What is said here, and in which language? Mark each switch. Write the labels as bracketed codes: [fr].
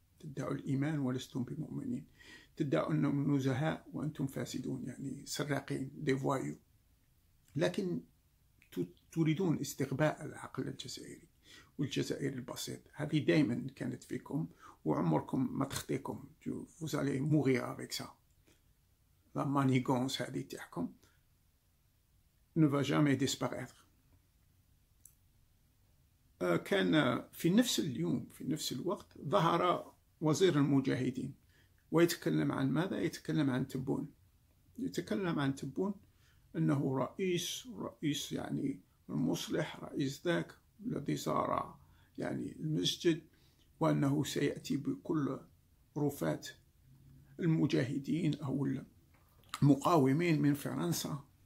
[ar] تدعوا الايمان ولستم بمؤمنين، تدعوا انهم نزهاء وانتم فاسدون، يعني سراقين، ديفوايو. لكن تريدون استغباء العقل الجزائري والجزائري البسيط. هذه دائما كانت فيكم وعمركم ما تخطيكم. [fr] vous allez mourir avec ça. La manigance, [ar] هذه تاعكم [fr] ne va jamais disparaître. [ar] كان في نفس اليوم، في نفس الوقت، ظهر وزير المجاهدين ويتكلم عن ماذا؟ يتكلم عن تبون. يتكلم عن تبون انه رئيس يعني المصلح، رئيس ذاك الذي زار يعني المسجد، وانه سياتي بكل رفات المجاهدين او المقاومين من فرنسا.